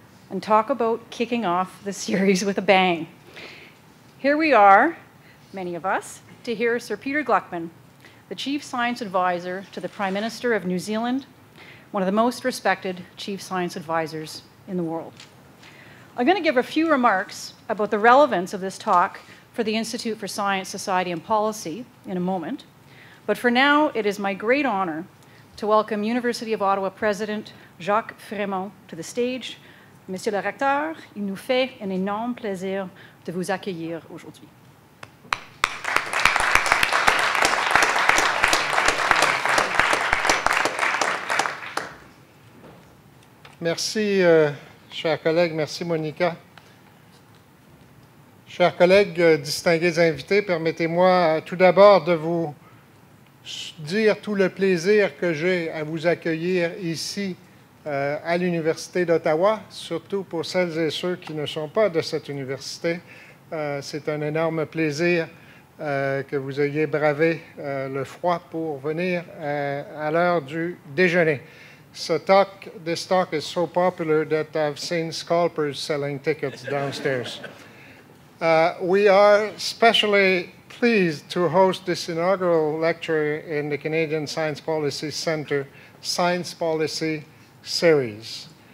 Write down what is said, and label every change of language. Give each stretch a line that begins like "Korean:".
English: And talk about kicking off the series with a bang. Here we are, many of us, to hear Sir Peter Gluckman, the Chief Science Advisor to the Prime Minister of New Zealand, one of the most respected Chief Science Advisors in the world. I'm going to give a few remarks about the relevance of this talk for the Institute for Science, Society, and Policy in a moment. But for now, it is my great honor to welcome University of Ottawa President Jacques Frémont to the stage.
French: Monsieur le recteur, il nous fait un énorme plaisir de vous accueillir aujourd'hui. Merci, chers collègues. Merci, Monica. Chers collègues, distingués invités, permettez-moi tout d'abord de vous dire tout le plaisir que j'ai à vous accueillir ici à l'Université d'Ottawa, surtout pour celles et ceux qui ne sont pas de cette université. C'est un énorme plaisir que vous ayez bravé le froid pour venir à l'heure du déjeuner.
English: This talk is so popular that I've seen scalpers selling tickets downstairs. We are especially pleased to host this inaugural lecture in the Canadian Science Policy Center, Science Policy Series.